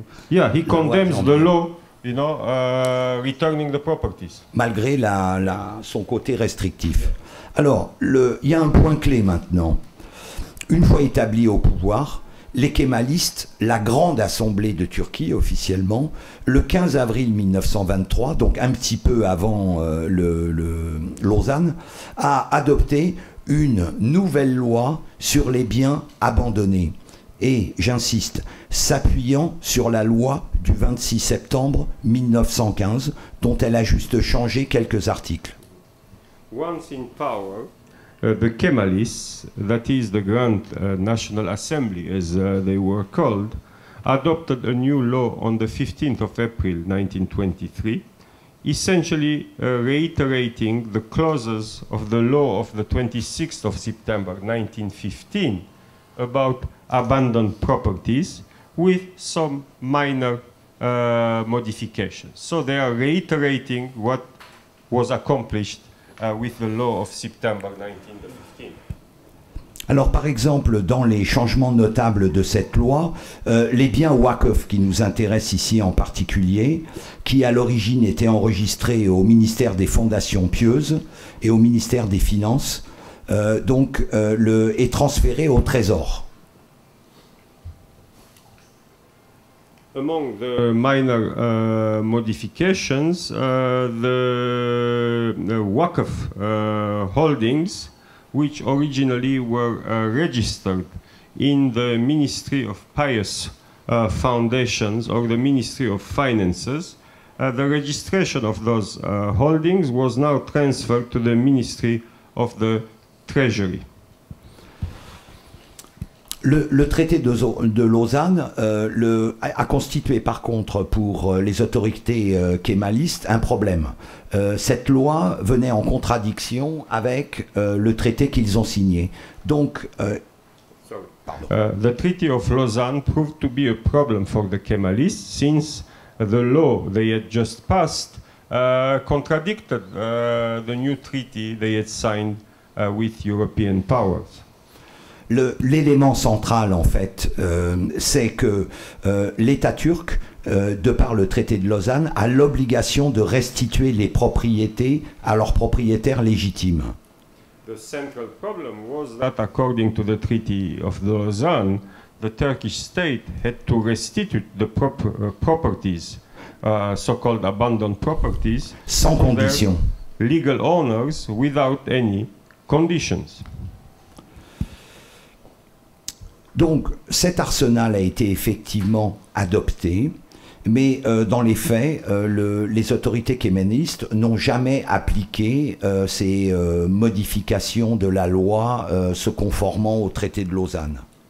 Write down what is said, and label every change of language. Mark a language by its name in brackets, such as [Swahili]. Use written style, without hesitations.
[English] Yeah, he condemns the law, you know, returning the properties. [French] Malgré son côté restrictif. Alors, il y a un point clé maintenant. Une fois établi au pouvoir, les Kémalistes, la grande assemblée de Turquie officiellement, le 15 avril 1923, donc un petit peu avant Lausanne, a adopté une nouvelle loi sur les biens abandonnés. Et, j'insiste, s'appuyant sur la loi du 26 septembre 1915, dont elle a juste changé quelques articles. [English] Once in power, the Kemalists, that is the Grand National Assembly, as they were called, adopted a new law on the 15th of April 1923, essentially reiterating the clauses of the law of the 26th of September 1915 about abandoned properties with some minor modifications. So they are reiterating what was accomplished with the law of September 1915. [French] Alors, par exemple, dans les changements notables de cette loi, les biens Wakof qui nous intéressent ici en particulier, qui à l'origine étaient enregistrés au ministère des Fondations Pieuses et au ministère des Finances, est transféré au Trésor. [English] Among the minor modifications, the Wakof holdings, which originally were registered in the Ministry of Pious Foundations or the Ministry of Finances. The registration of those holdings was now transferred to the Ministry of the Treasury. [French] Le traité de Lausanne a constitué par contre pour les autorités kémalistes un problème. Cette loi venait en contradiction avec le traité qu'ils ont signé. Donc, [English] The Treaty of Lausanne proved to be a problem for the Kemalists since the law they had just passed contradicted the new treaty they had signed with European powers. [French] L'élément central, en fait, c'est que l'État turc, de par le traité de Lausanne, a l'obligation de restituer les propriétés à leurs propriétaires légitimes. [English] The central problem was that according to the treaty of Lausanne, the Turkish state had to restitute the properties, so-called abandoned properties, [French] sans condition. [English] Legal owners without any conditions. [French] Donc, cet arsenal a été effectivement adopté, mais dans les faits, les autorités kémalistes n'ont jamais appliqué ces modifications de la loi se conformant au traité de Lausanne.